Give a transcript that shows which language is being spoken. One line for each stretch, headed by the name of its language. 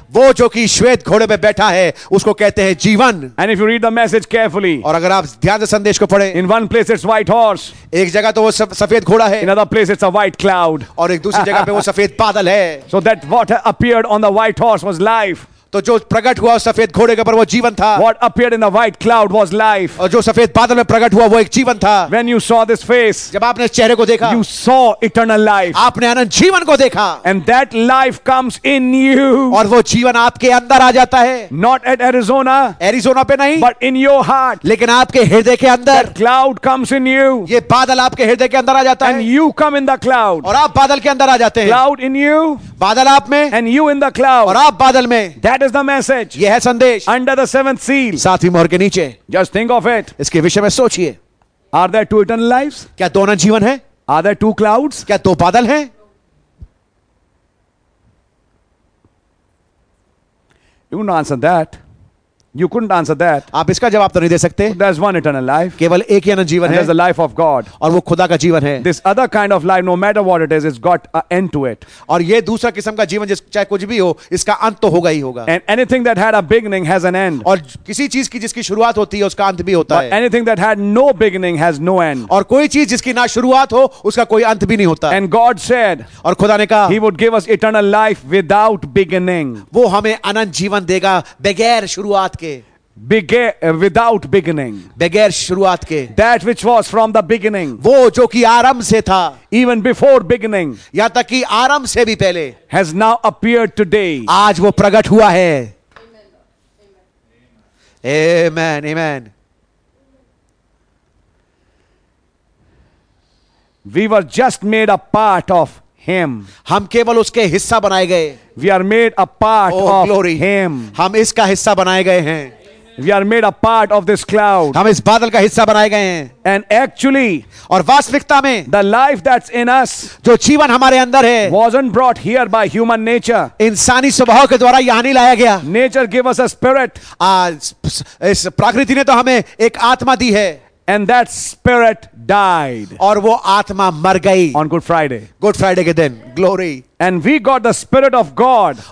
Hindi: वो जो कि श्वेत घोड़े पे बैठा है उसको कहते हैं जीवन.
English: And if you read the message carefully,
Hindi: और अगर आप ध्यान से संदेश को पढ़ें,
English: in one place it's white horse,
Hindi: एक जगह तो वो सफेद घोड़ा है.
English: In another place it's a white cloud,
Hindi: और एक दूसरी जगह पे वो सफेद बादल है.
English: So that what appeared on the white horse was life.
Hindi: तो जो प्रकट हुआ सफेद घोड़े के पर वो जीवन था.
English: What appeared in a white cloud was life.
Hindi: और जो सफेद बादल में प्रकट हुआ वो एक जीवन था.
English: When you saw this face,
Hindi: जब आपने इस चेहरे को देखा,
English: you saw eternal life.
Hindi: आपने अनंत जीवन को देखा.
English: And that life comes in you.
Hindi: और वो जीवन आपके अंदर आ जाता है.
English: Not at Arizona.
Hindi: Arizona पे नहीं.
English: But in your heart.
Hindi: लेकिन आपके हृदय के अंदर.
English: That cloud comes in you.
Hindi: ये बादल आपके हृदय के अंदर आ जाता
English: and
Hindi: है.
English: And you come in the cloud.
Hindi: और आप बादल के अंदर आ जाते हैं.
English: Cloud in you.
Hindi: बादल आप में.
English: And you in the cloud.
Hindi: और आप बादल में.
English: That is the message.
Hindi: यह है संदेश.
English: Under the seventh seal.
Hindi: सातवीं मोहर के नीचे.
English: Just think of it.
Hindi: इसके विषय में सोचिए.
English: Are there two eternal lives?
Hindi: क्या दो अनंत जीवन हैं?
English: Are there two clouds?
Hindi: क्या दो बादल हैं?
English: You couldn't answer that. You couldn't answer that.
Hindi: आप इसका जवाब तो नहीं दे सकते.
English: There's one eternal life.
Hindi: केवल एक ही अनंत जीवन है.
English: There's the life of God.
Hindi: और वो खुदा का जीवन है.
English: This other kind of life, no matter what it is, it's got an end to it.
Hindi: और ये दूसरा किस्म का जीवन, चाहे कुछ भी हो, इसका अंत तो होगा ही होगा.
English: And anything that had a beginning has an end.
Hindi: और किसी चीज की जिसकी शुरुआत होती है उसका अंत भी होता है.
English: Anything that had no beginning has no end.
Hindi: और कोई चीज जिसकी ना शुरुआत हो उसका कोई अंत भी नहीं होता.
English: And God said,
Hindi: और खुदा ने कहा,
English: He would give us eternal life without beginning.
Hindi: वो हमें अनंत जीवन देगा बगैर शुरुआत.
English: Without beginning,
Hindi: बगैर शुरुआत के,
English: that which was from the beginning,
Hindi: वो जो कि आरंभ से था,
English: even before beginning,
Hindi: या तक कि आरंभ से भी पहले,
English: has now appeared today,
Hindi: आज वो प्रकट हुआ है.
English: Amen, amen. We were just made a part of Him.
Hindi: हम केवल उसके हिस्सा बनाए गए.
English: We are made a part of glory. Him.
Hindi: हम इसका हिस्सा बनाए गए हैं.
English: We are made a part of this cloud.
Hindi: हम इस बादल का हिस्सा बनाए गए हैं.
English: And actually,
Hindi: और वास्तविकता में,
English: the life that's in us,
Hindi: जो जीवन हमारे अंदर है,
English: wasn't brought here by human nature.
Hindi: इंसानी स्वभाव के द्वारा यहाँ नहीं लाया गया.
English: Nature gave us a spirit.
Hindi: इस प्रकृति ने तो हमें एक आत्मा दी है.
English: And that spirit died.
Hindi: और वो आत्मा मर गई.
English: On Good Friday.
Hindi: Good Friday के दिन.
English: Glory. And we got the spirit of God.